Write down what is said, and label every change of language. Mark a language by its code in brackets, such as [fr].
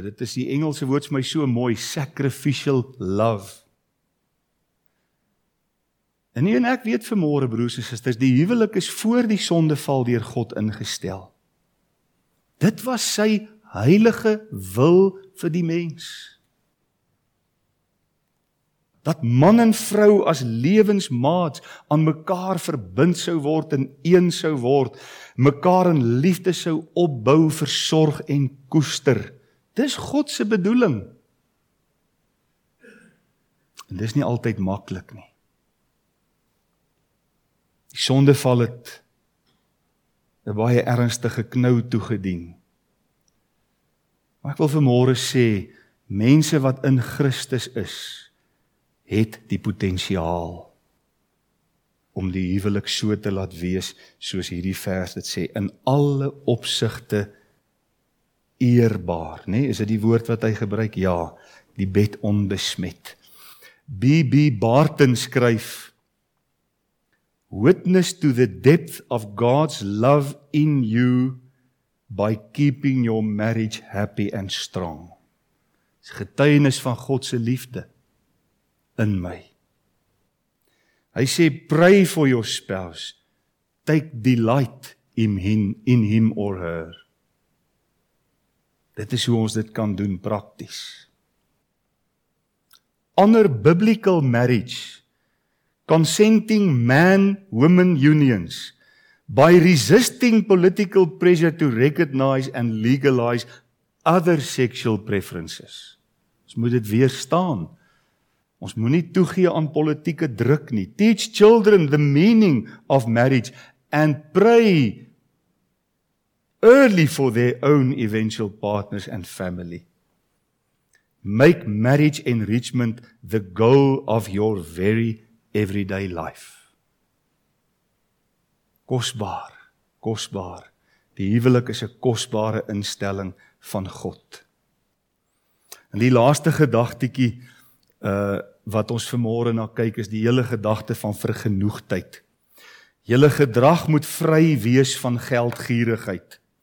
[af] Dit is die Engelse woord vir my so mooi, [en] sacrificial love. [af] En nie en ek weet vanmôre, broers en susters, die huwelik is voor die sondeval deur God ingestel. Dit was sy heilige wil vir die mens. Dat man en vrou as lewensmaats aan mekaar verbind sou word en een sou word, mekaar in liefde sou opbou, versorg en koester. Dis God se bedoeling. En dis nie altyd maklik nie. Die sondeval het 'n baie ernstige knou toegedien. Maar ek wil vanmôre sê, mense wat in Christus is, het die potensiaal om die huwelik so te laat wees, soos hierdie vers dit sê, in alle opsigte eerbaar. Nee, is dit die woord wat hy gebruik? Ja, die bed onbesmet. B.B. [en] Barton [af] skryf, [en] witness to the depth of God's love in you, by keeping your marriage happy and strong. [af] Dis getuienis van God se liefde in my. Hy sê, [en] pray for your spouse, take delight in him or her. [af] Dit is hoe ons dit kan doen prakties. [en] Honor biblical marriage, consenting man-woman unions, by resisting political pressure to recognize and legalize other sexual preferences. [af] Ons moet dit weerstaan. Ons moet nie toegee aan politieke druk nie. [en] Teach children the meaning of marriage and pray early for their own eventual partners and family. Make marriage enrichment the goal of your very everyday life. [af] Kosbaar, kosbaar. Die huwelik is 'n kosbare instelling van God. En die laaste gedagtetjie wat ons vanmôre na kyk is die hele gedagte van vergenoegdheid. Julle gedrag moet vry wees van geldgierigheid.